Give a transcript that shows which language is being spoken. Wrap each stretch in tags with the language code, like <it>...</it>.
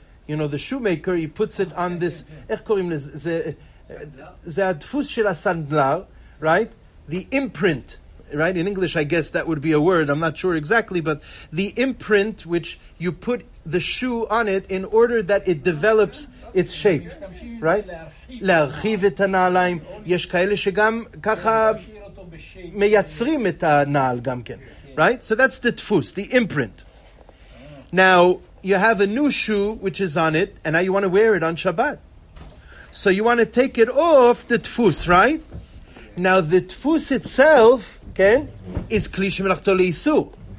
<en>You know, the shoemaker, he puts it on this...</en> <he>איך קוראים לזה? זה התפוס של הסנדלר,</he> <en>right? The imprint, right? In English, I guess that would be a word. I'm not sure exactly, but the imprint which you put the shoe on it in order that it develops its shape, right?</en> <he>להרחיב את הנעליים. יש כאלה שגם ככה מייצרים את הנעל גם כן,</he> <en>right? So that's the tfus, the imprint. Now, you have a new shoe which is on it, and now you want to wear it on Shabbat. So you want to take it off the tfus, right? Now, the tfus itself, okay, is kli shemelachto leisu.</en>